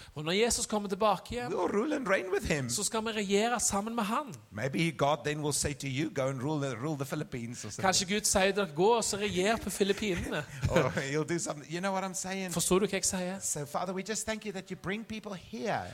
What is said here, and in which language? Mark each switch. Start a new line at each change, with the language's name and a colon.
Norwegian: og når Jesus kommer tilbake hjem,
English: we'll rule and reign with him.
Norwegian: Så skal vi regjere sammen med han.
English: Maybe God then will say to you, go and rule the Philippines or something.
Norwegian: Kanskje Gud sier dere, gå og så regjer på Filippinene.
English: Or he'll do something. You know what I'm saying?
Norwegian: Forstår du hva jeg sier?
English: So Father, we just thank you that you bring people here.